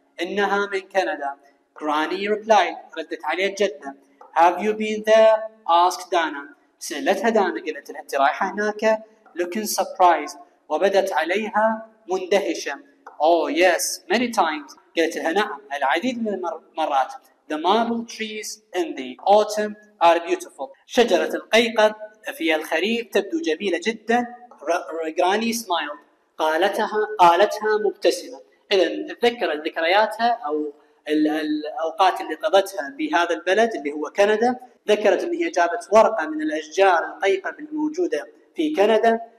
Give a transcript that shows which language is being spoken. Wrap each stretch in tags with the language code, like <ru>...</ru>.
<ar>إنها من كندا.</ar> <en>Granny replied.</en> <ar>ردت عليها الجدة.</ar> <en>Have you been there? asked Dana.</en> <ar>سألتها دانا. قالت لها أنت رايحة هناك؟</ar> <en>looking surprised.</en> <ar>وبدت عليها مندهشة.</ar> <en>Oh yes, many times.</en> <ar>قالت لها نعم، العديد من المرات.</ar> <en>The marble trees in the autumn are beautiful.</en> <ar>شجرة القيقب في الخريف تبدو جميلة جدا.</ar> <en>Granny smiled.</en> <ar>قالتها مبتسمة. إذن تذكر ذكرياتها أو الأوقات اللي قضتها بهذا البلد اللي هو كندا. ذكرت أن هي جابت ورقة من الأشجار القيقب الموجودة في كندا.</ar>